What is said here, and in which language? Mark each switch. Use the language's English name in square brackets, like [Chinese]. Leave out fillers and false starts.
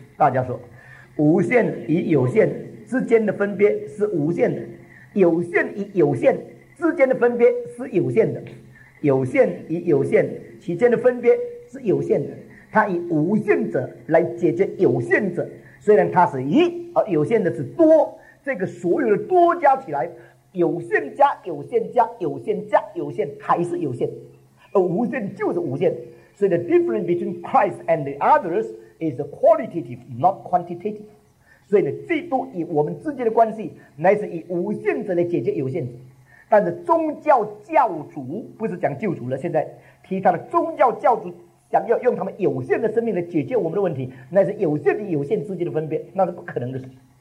[Chinese] 大家说，无限与有限之间的分别是无限的，有限与有限之间的分别是有限的，有限与有限其间的分别是有限的。他以无限者来解决有限者，虽然它是一，而有限的是多，这个所有的多加起来，有限加有限加有限加有限还是有限，而无限就是无限。所以 [English] the difference between Christ and the others is qualitative, not quantitative。 [Chinese] 所以呢，基督与我们之间的关系乃是以无限者来解决有限者。但是宗教教主不是讲救主了，现在提他的宗教教主想要用他们有限的生命来解决我们的问题，那是有限与有限之间的分别，那是不可能的事情。